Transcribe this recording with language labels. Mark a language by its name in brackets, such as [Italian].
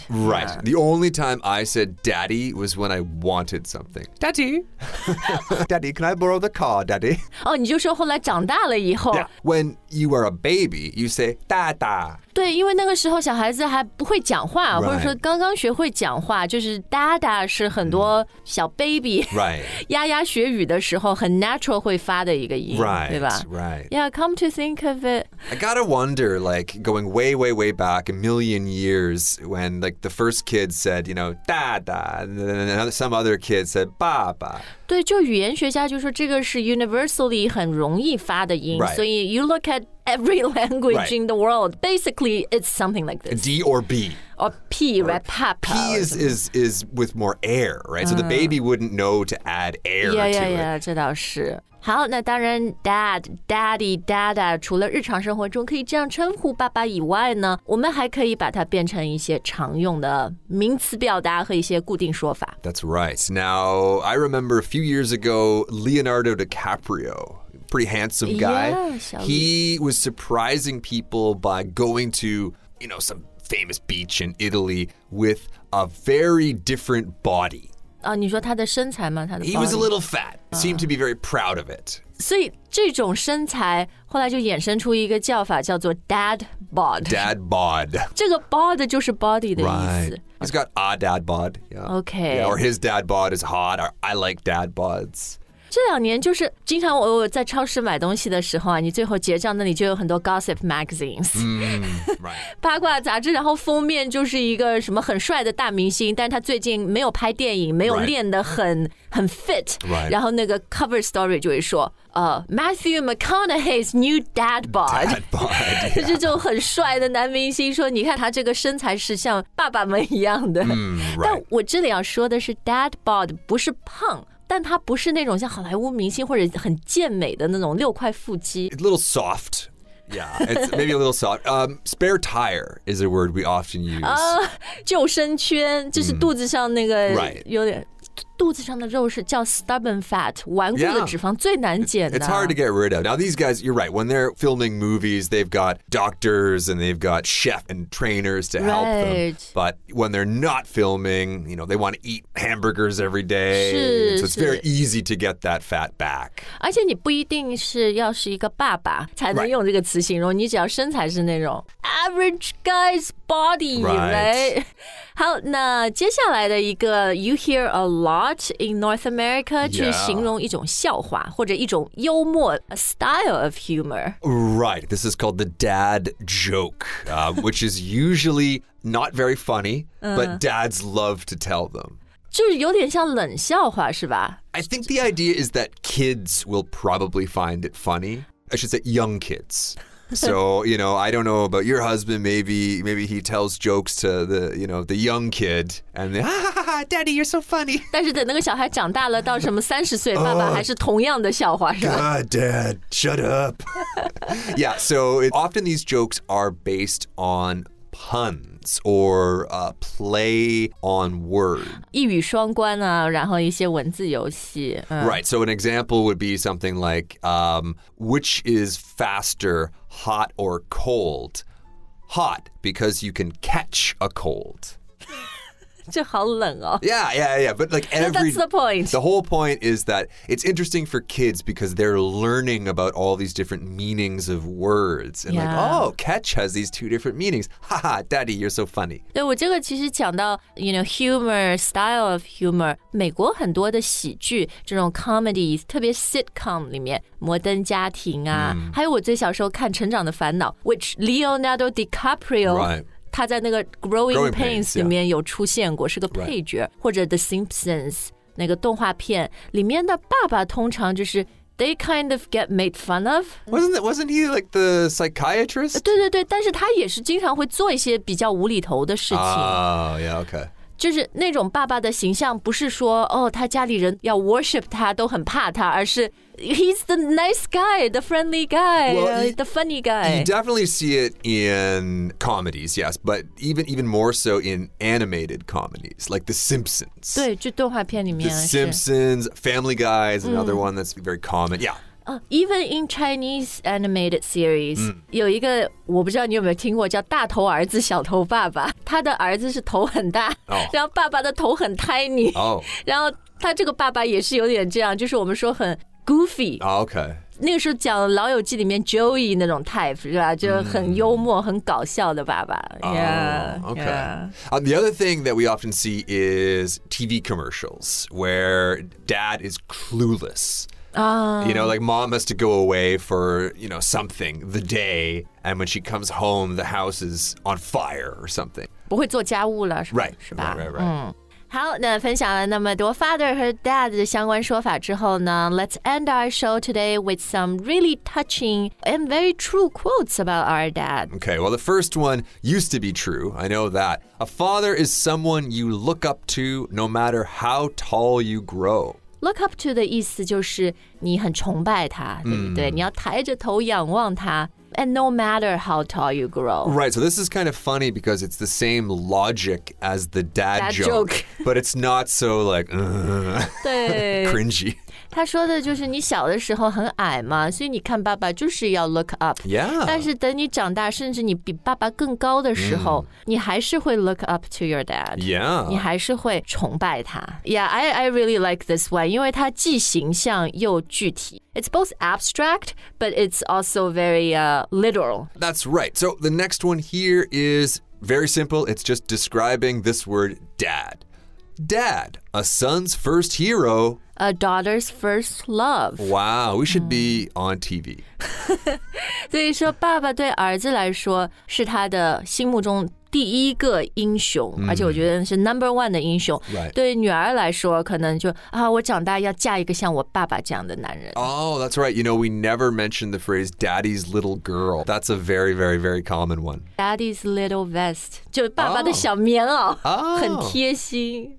[English] right、the only time I said daddy was when I wanted something daddy daddy can I borrow the car daddy [Chinese] 哦、你就说后来长大了以后、 [English] yeah. when you are a baby you say dada [Chinese] 对因为那个时候小孩子还不会讲话、 [English] right. [Chinese] 或者说刚刚学会讲话就是 dada 是很多小 baby、 [English] right. [Chinese] 丫丫学语的时候很 natural 会发的一个音、 [English] right. [Chinese] 对吧 [English] right yeah come to think of it I gotta wonder like going way way way back a million years when like the first kid said you know dada and some other kid said baba [Chinese] 对就语言学家就说这个是 universally 很容易发的音、 [English] right. 所以 you look at every language、 right. in the world basically it's something like this D or B or P or right papa P is with more air right、so the baby wouldn't know to add air to yeah, it [Chinese] yeah yeah yeah 这倒是好那当然 dad, daddy, dada 除了日常生活中可以这样称呼爸爸以外呢我们还可以把它变成一些常用的名词表达和一些固定说法 [English] That's right. Now, I remember a few years ago, Leonardo DiCaprio, pretty handsome guy, yeah, he was surprising people by going to, you know, some famous beach in Italy with a very different body. [Chinese] 你说他的身材吗他的 [English] He was a little fat. Seemed to be very proud of it. [Chinese] 所以这种身材后来就衍生出一个叫法叫做 dad bod. [English] Dad bod. [Chinese] 这个 bod 就是 body 的意思。 [English] Right. He's got a dad bod. Yeah. Okay. Yeah, or his dad bod is hot. Or I like dad bods. [Chinese] 这两年就是经常我在超市买东西的时候啊，你最后结账那里就有很多 gossip magazines、 [English] right. [Chinese] 八卦杂志然后封面就是一个什么很帅的大明星但他最近没有拍电影没有练得很、 [English] right. [Chinese] 很 fit、 [English] right. [Chinese] 然后那个 cover story 就会说 [English] Matthew McConaughey's new dad bod dad bod、yeah. [Chinese] 就是这种很帅的男明星说你看他这个身材是像爸爸们一样的、 [English] right. [Chinese] 但我这里要说的是 dad bod 不是胖但他不是那种像好莱坞明星或者很健美的那种六块腹肌 [English] A little soft Yeah, it's maybe a little soft、spare tire is a word we often use [Chinese] 救生圈就是肚子上那个、 [English] right. [Chinese] 有点肚子上的肉是叫 stubborn fat, 顽固的脂肪最难减的。 [English] It's hard to get rid of. Now these guys, you're right, when they're filming movies, they've got doctors and they've got chef and trainers to help them. But when they're not filming, you know, they want to eat hamburgers every day. So it's very easy to get that fat back. [Chinese] 而且你不一定是要是一个爸爸才能用这个词形容，你只要身材是那种 average guy's body, right? 好，那接下来的一个 [English] you hear a lot in North America, [Chinese] 去形容一种笑话或者一种幽默 [English] a style of humor. Right, this is called the dad joke, which is usually not very funny, but dads love to tell them. [Chinese] 就是有点像冷笑话是吧 [English] I think the idea is that kids will probably find it funny. I should say young kids. So, you know, I don't know about your husband, maybe he tells jokes to the, you know, the young kid, and they, ha ha ha ha, daddy, you're so funny. [Chinese] 但是等那个小孩长大了到什么30岁爸爸还是同样的笑话是吧 [English] God, dad, shut up. Yeah, so often these jokes are based on puns or play on words. [Chinese] 一语双关啊然后一些文字游戏。 [English] Right, so an example would be something like, which is faster,Hot or cold? Hot, because you can catch a cold. [Chinese] 这好冷哦。 [English] Yeah. But like every... That's the point. The whole point is that it's interesting for kids because they're learning about all these different meanings of words. And like, oh, catch has these two different meanings. Ha ha, daddy, you're so funny. [Chinese] 对我这个其实讲到 [English] you know, humor, style of humor. [Chinese] 美国很多的喜剧这种 comedies, 特别 sitcom 里面摩登家庭啊、mm. 还有我最小时候看成长的烦恼 [English] which Leonardo DiCaprio... Right. [Chinese] 他在那个 Growing Pains 里面有出现过、是个配角、 [English] right. [Chinese] 或者 The Simpsons 那个动画片里面的爸爸通常就是 [English] They kind of get made fun of Wasn't he like the psychiatrist? [Chinese] 对对对但是他也是经常会做一些比较无厘头的事情 [English] Oh yeah okay [Chinese] 就是那种爸爸的形象不是说哦他家里人要 worship 他都很怕他而是 [English] he's the nice guy, the friendly guy, the funny guy. You definitely see it in comedies, yes, but even more so in animated comedies, like The Simpsons. [Chinese] 对就动画片里面。 [English] The Simpsons, Family Guy is another one that's very common, yeah. Even in Chinese animated series,、 [Chinese] 有一个我不知道你有没有听过叫大头儿子小头爸爸他的儿子是头很大、然后爸爸的头很 tiny、然后他这个爸爸也是有点这样就是我们说很 goofy、 [English] okay. [Chinese] 那个时候讲老友记里面 Joey 那种 type 是吧就很幽默、很搞笑的爸爸、 [English] Okay. The other thing that we often see is TV commercials where dad is cluelessyou know, like mom has to go away for, you know, something the day. And when she comes home, the house is on fire or something. [Chinese] 不会做家务了是吧 [English] Right. [Chinese] 好那分享了那么多 father 和 dad 的相关说法之后呢 [English] Let's end our show today with some really touching and very true quotes about our dad. Okay, well, the first one used to be true. I know that. A father is someone you look up to no matter how tall you grow. [Chinese] Look up to 的意思就是你很崇拜他，对不对？你要抬着头仰望他。 [English] And no matter how tall you grow. Right, so this is kind of funny because it's the same logic as the dad joke. But it's not so like, cringy. [Chinese] 他说的就是你小的时候很矮嘛，所以你看爸爸就是要 look up. [English] Yeah. [Chinese] 但是等你长大，甚至你比爸爸更高的时候，你还是会 [English] look up to your dad. Yeah. [Chinese] 你还是会崇拜他。 [English] Yeah, I really like this one, [Chinese] 因为它既形象又具体。 [English] It's both abstract, but it's also very literal. That's right. So the next one here is very simple. It's just describing this word, dad. Dad, a son's first hero. A daughter's first love. Wow, we should be on TV. [Chinese] 所以说爸爸对儿子来说是他的心目中第一个英雄、而且我觉得是 number one 的英雄、 [English] right. [Chinese] 对女儿来说可能就啊，我长大要嫁一个像我爸爸这样的男人 [English] Oh, that's right. You know, we never mentioned the phrase daddy's little girl. That's a very, very, very common one. Daddy's little vest [Chinese] 就爸爸的小棉袄、很贴心